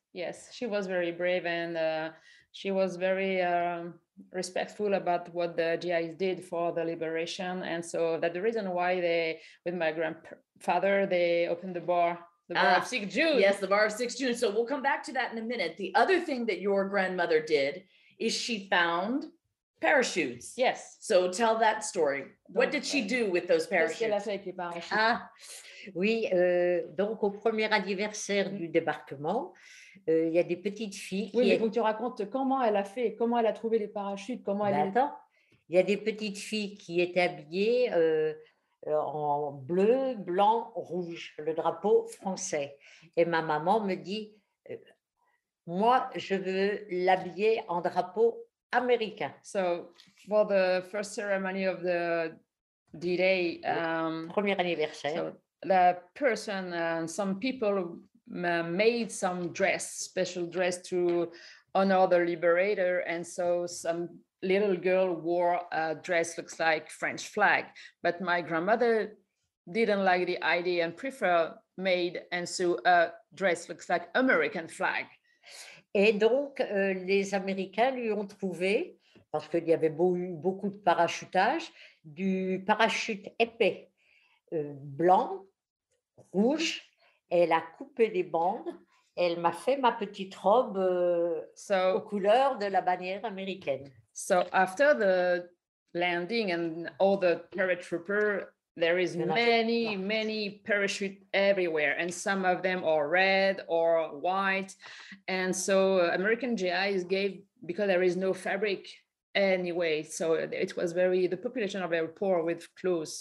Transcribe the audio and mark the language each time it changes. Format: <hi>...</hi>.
<en>Yes, she was very brave and she was very respectful about what the GIs did for the liberation. And so that the reason why they with my grandfather they opened the bar of 6 June. Yes, the bar of 6 June. So we'll come back to that in a minute. The other thing that your grandmother did is she found parachutes. Yes. So tell that story. What did she do with those parachutes?</en> <fr>Qu'est-ce qu'elle a fait avec les parachutes? Ah, oui, donc au premier anniversaire du débarquement, il y a des petites filles qui... Oui, mais donc tu racontes comment elle a fait, comment elle a trouvé les parachutes, comment elle... Attends, il y a des petites filles qui étaient habillées en bleu, blanc, rouge, le drapeau français. Et ma maman me dit... moi, je veux l'habiller en drapeau américain.</fr> <en>So, for the first ceremony of the D-Day,</en> <fr>premier anniversaire,</fr> <en>the person and some people made some dress, special dress to honor the liberator. And so, some little girl wore a dress looks like French flag. But my grandmother didn't like the idea and prefer made and so a dress looks like American flag.</en> <fr>Et donc, les Américains lui ont trouvé, parce qu'il y avait beaucoup de parachutage, du parachute épais, blanc, rouge. Elle a coupé les bandes. Elle m'a fait ma petite robe aux couleurs de la bannière américaine.</fr> <en>So, after the landing and all the paratroopers, there is many, many parachutes everywhere, and some of them are red or white. And so American GIs gave, because there is no fabric anyway, so it was very, the population are very poor with clothes.</en>